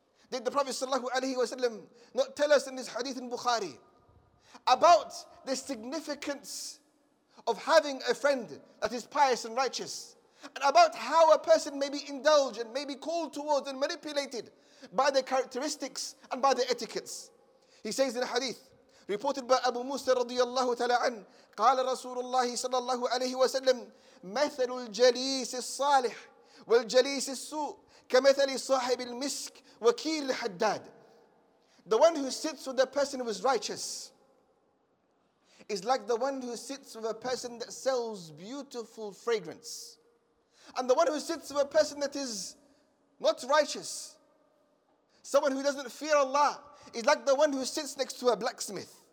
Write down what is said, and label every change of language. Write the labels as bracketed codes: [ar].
[en] Did the Prophet sallallahu alayhi wa sallam not tell us in this hadith in Bukhari about the significance of having a friend that is pious and righteous, and about how a person may be indulged and may be called towards and manipulated by the characteristics and by the etiquettes? He says in a hadith reported by Abu Musa radiyallahu ta'ala an, [ar] قال رسول الله صلى الله عليه وسلم مثل الجليس الصالح والجليس السوء كمثل صاحب المسك وكيل الحداد. [en] The one who sits with a person who is righteous is like the one who sits with a person that sells beautiful fragrance. And the one who sits with a person that is not righteous, someone who doesn't fear Allah, is like the one who sits next to a blacksmith.